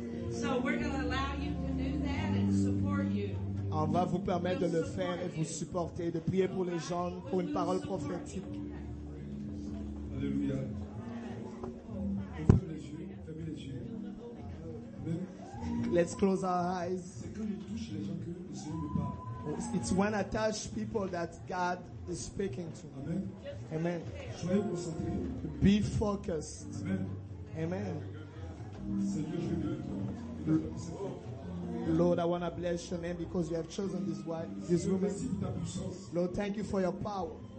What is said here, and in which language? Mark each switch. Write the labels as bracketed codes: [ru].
[en] So we're going to allow you to do that and support you. [fr] On va vous permettre de le faire et vous supporter, de prier pour les gens, pour une parole prophétique. Alléluia. Ouvrez les yeux, fermez les yeux. [en] Amen. Let's close our eyes. [fr] C'est quand il touche les gens que le Seigneur parle. [en] It's when I touch people that God is speaking to. Amen. Amen. [fr] Soyez concentrés. [en] Be focused. Amen. Amen. Lord, I want to bless your name because you have chosen this wife, this woman. Lord, thank you for your power.